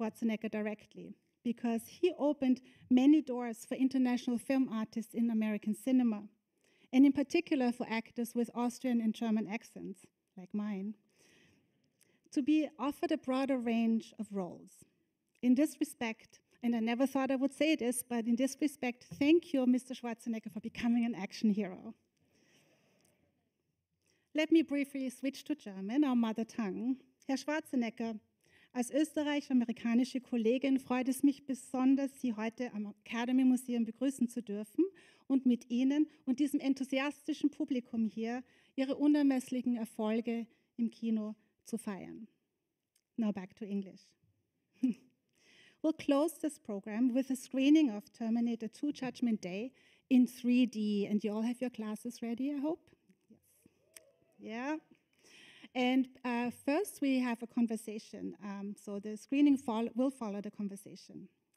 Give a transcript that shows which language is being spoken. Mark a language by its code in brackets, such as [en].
[en] Schwarzenegger directly, because he opened many doors for international film artists in American cinema, and in particular for actors with Austrian and German accents, like mine, to be offered a broader range of roles. In this respect, and I never thought I would say this, but in this respect, thank you, Mr. Schwarzenegger, for becoming an action hero. Let me briefly switch to German, our mother tongue. [de] Herr Schwarzenegger, als österreich-amerikanische Kollegin freut es mich besonders, Sie heute am Academy Museum begrüßen zu dürfen und mit Ihnen und diesem enthusiastischen Publikum hier Ihre unermesslichen Erfolge im Kino zu feiern. [en] Now back to English. We'll close this program with a screening of Terminator 2 Judgment Day in 3D. And you all have your glasses ready, I hope. Yeah. And first, we have a conversation. So the screening will follow the conversation.